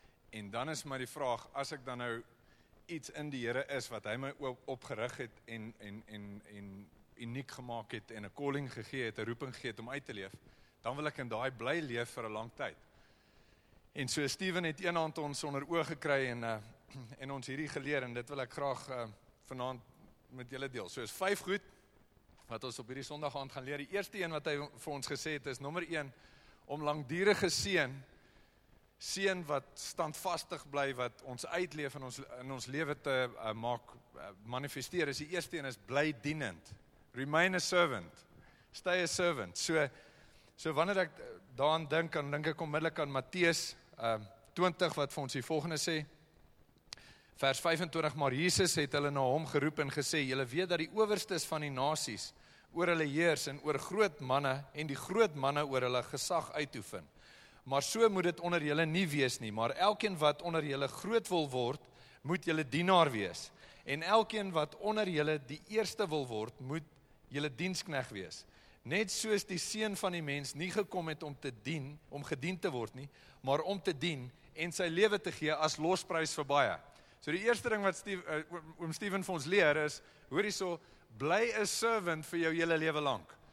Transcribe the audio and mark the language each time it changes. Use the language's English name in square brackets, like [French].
[Afrikaans] En dan is my die vraag, as ek dan nou iets in die Here is wat hy my opgerig het en uniek gemaak het en 'n calling gegee het, 'n roeping gegee het om uit te leef, dan wil ek in daai bly leef vir 'n lang tyd. En so Steven het een aand ons onder oog gekry en ons hierdie geleer en dit wil ek graag vanaand met julle deel. So is 5 goed wat ons op hierdie Sondag aand gaan leer. Die eerste een wat hy vir ons gesê het is nommer 1, om langdurige seën wat standvastig bly, wat ons uitleef in ons lewe te maak manifesteer. Is die eerste een is bly dienend. [English] Remain a servant. Stay a servant. [Afrikaans] So wanneer ek daaraan dink, dan dink ek onmiddellik aan Matteus 20, wat vir ons die volgende sê, vers 25, maar Jesus het hulle na hom geroep en gesê, "Julle weet dat die owerstes van die nasies oor hulle heers en oor groot manne en die groot manne oor hulle gesag uitoefen. Maar so moet dit onder julle nie wees nie, maar elkeen wat onder julle groot wil word, moet julle dienaar wees. En elkeen wat onder julle die eerste wil word, moet julle diensknegt wees. net soos die seun van die mens nie gekom het om te dien, om gedien te word nie, maar om te dien en sy lewe te gee as losprys vir baie. So die eerste ding wat oom Steven vir ons leer is, hoor hierso, bly 'n servant vir jou hele lewe lank.